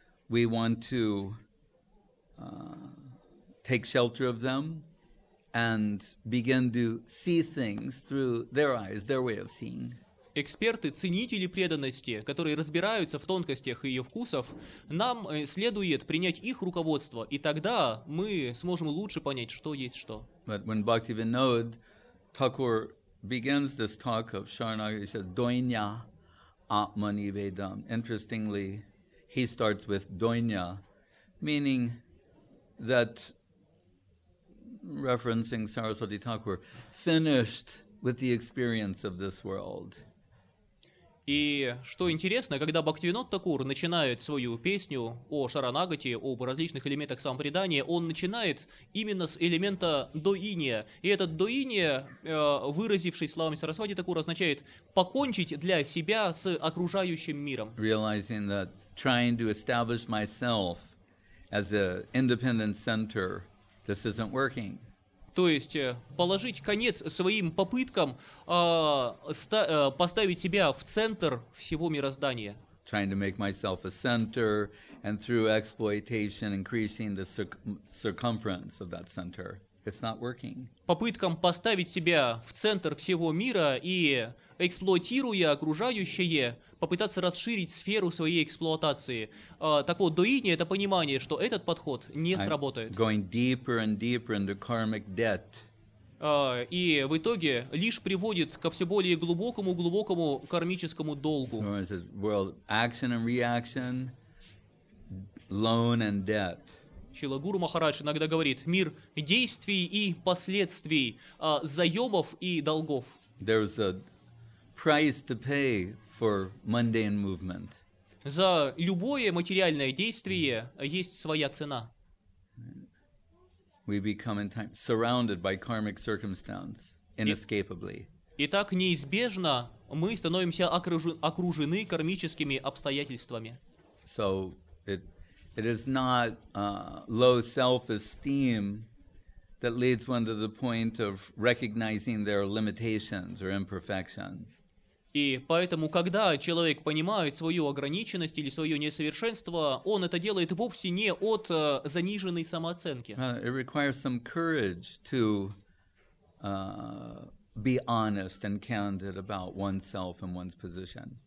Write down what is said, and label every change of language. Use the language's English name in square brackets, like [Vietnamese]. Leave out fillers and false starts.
[English] We want to take shelter of them and begin to see things through their eyes, their way of seeing. [Russian] Эксперты, ценители преданности, которые разбираются в тонкостях ее вкусов, нам следует принять их руководство, и тогда мы сможем лучше понять, что есть что. [English] But when Bhaktivinoda Thakur begins this talk of Sharanagati, he says, Doinya Atmanivedam. Interestingly, he starts with Doinya, meaning that, referencing Saraswati Thakur, finished with the experience of this world. [Russian] И что интересно, когда Бхактивинода Такур начинает свою песню о Шаранагати, об различных элементах самопредания, он начинает именно с элемента доиния. И этот доиния, выразившись словами Сарасвати Такура, означает покончить для себя с окружающим миром. [English] Realizing that trying to establish myself as an independent center, this isn't working. [Russian] То есть положить конец своим попыткам поставить себя в центр всего мироздания. [English] Trying to make myself a center and through exploitation increasing the circumference of that center. It's not working. [Russian] Попыткам поставить себя в центр всего мира и эксплуатируя окружающее, попытаться расширить сферу своей эксплуатации. Так вот, доини — это понимание, что этот подход не сработает. [English] Going deeper and deeper into karmic debt. [Russian] И в итоге лишь приводит ко все более глубокому кармическому долгу. [English] Action and reaction, loan and debt. [Russian] Шрила Гуру Махарадж иногда говорит, мир действий и последствий, заемов и долгов. [English] There's a price to pay for mundane movement. [Russian] За любое материальное действие есть своя цена. [English] We become in time surrounded by karmic circumstance. inescapably. [Russian] Итак, неизбежно мы становимся окружены кармическими обстоятельствами. [English] So it is not low self-esteem that leads one to the point of recognizing their limitations or imperfections. [Russian] И поэтому, когда человек понимает свою ограниченность или свое несовершенство, он это делает вовсе не от заниженной самооценки. [English] It requires some courage to be honest and candid about oneself and one's position.